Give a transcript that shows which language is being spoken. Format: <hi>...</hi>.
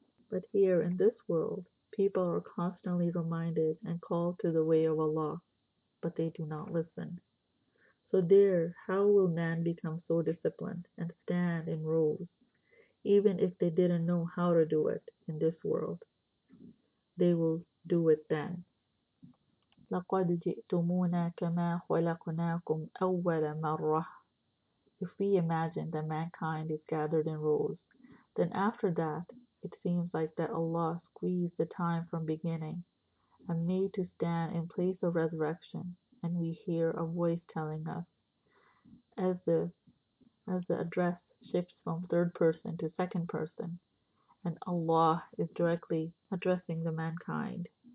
<en>But here in this world, people are constantly reminded and called to the way of Allah, but they do not listen. So there, how will man become so disciplined and stand in rows, even if they didn't know how to do it in this world? They will do it then.</en> <ar>لقد جئتمونا كما خلقناكم أول مرة.</ar> <en>If we imagine that mankind is gathered in rows, then after that, it seems like that Allah squeezed the time from beginning and made to stand in place of resurrection, and we hear a voice telling us. As the address shifts from third person to second person, and Allah is directly addressing the mankind.</en>